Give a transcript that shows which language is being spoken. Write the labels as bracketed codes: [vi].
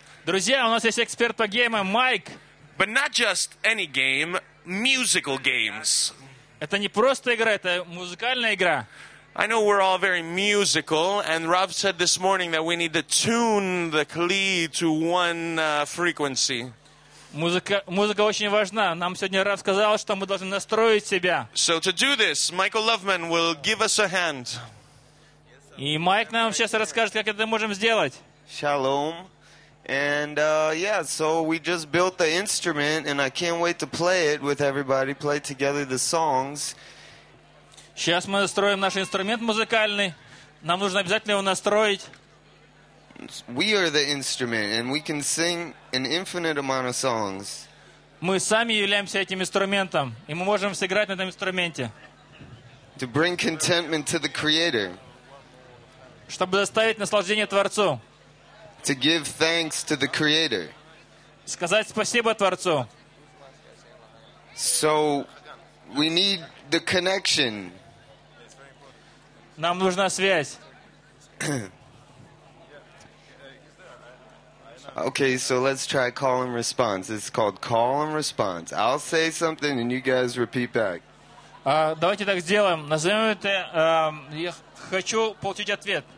[ru] Друзья, у нас есть эксперт по геймам, Майк. [en] But not just any game, musical games. [ru] Это не просто игра, это музыкальная игра. [en] I know we're all very musical, and Rob said this morning that we need to tune the kli to one frequency. [ru] Музыка очень важна. Нам сегодня Рав сказал, что мы должны настроить себя. [en] So to do this, Michael Loveman will give us a hand. [ru] И Майк нам сейчас расскажет, как это можем сделать. [he] Shalom. [en] And so we just built the instrument, and I can't wait to play it with everybody, play together the songs. [ru] Сейчас мы настроим наш инструмент музыкальный. Нам нужно обязательно его настроить. [en] We are the instrument, and we can sing an infinite amount of songs. [ru] Мы сами являемся этим инструментом, и мы можем сыграть на этом инструменте. [en] To bring contentment to the Creator. [ru] Чтобы доставить наслаждение Творцу. [en] To give thanks to the Creator. [ru] Сказать спасибо Творцу. [en] So we need the connection. [ru] Нам нужна связь. [en] Okay, so let's try call and response. It's called call and response. I'll say something and you guys repeat back. [ru] Давайте так сделаем. Назовем это я хочу получить ответ.